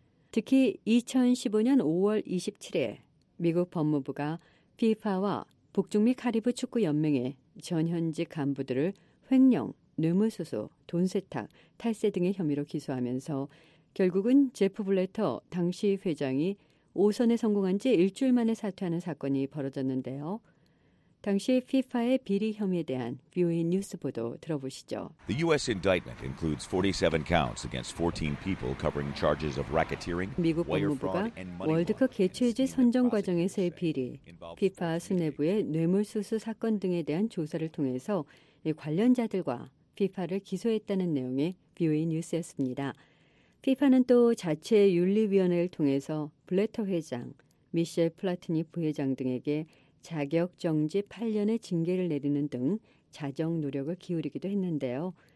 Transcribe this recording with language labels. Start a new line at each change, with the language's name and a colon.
Korean: 특히 2015년 5월 27일 미국 법무부가 FIFA와 북중미 카리브 축구연맹의 전현직 간부들을 횡령, 뇌물수수, 돈세탁, 탈세 등의 혐의로 기소하면서 결국은 제프 블레터 당시 회장이 오선에 성공한 지 일주일 만에 사퇴하는 사건이 벌어졌는데요. 당시 FIFA의 비리 혐의에 대한 VOA 뉴스 보도 들어보시죠.
English: The U.S. indictment includes 47 counts against 14 people covering charges of racketeering, wire fraud, and money laundering.
Korean: 미국 법무부가 월드컵 개최지 선정 과정에서의 비리, FIFA 수뇌부의 뇌물수수 사건 등에 대한 조사를 통해서 관련자들과 FIFA를 기소했다는 내용의 VOA 뉴스였습니다. FIFA는 또 자체 윤리위원회를 통해서 블레터 회장, 미셸 플라티니 부회장 등에게 자격정지 8년의 징계를 내리는 등 자정 노력을 기울이기도 했는데요.